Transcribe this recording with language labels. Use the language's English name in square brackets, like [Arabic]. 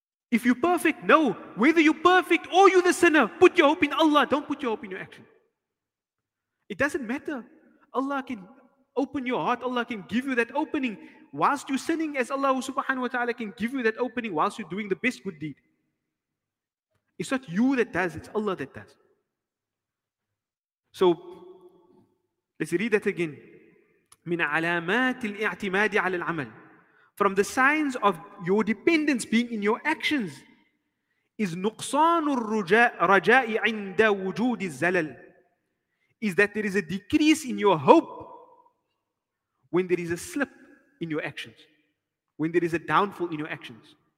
[English] If you're perfect, no. Whether you're perfect or you're the sinner, put your hope in Allah. Don't put your hope in your action. It doesn't matter. Allah can open your heart. Allah can give you that opening whilst you're sinning, as Allah subhanahu wa ta'ala can give you that opening whilst you're doing the best good deed. It's not you that does, it's Allah that does. So, let's read that again. [Arabic] من علامات الاعتماد على العمل. [English] From the signs of your dependence being in your actions is [Arabic] نقصان الرجاء عند وجود الزلل. [English] Is that there is a decrease in your hope when there is a slip in your actions, when there is a downfall in your actions.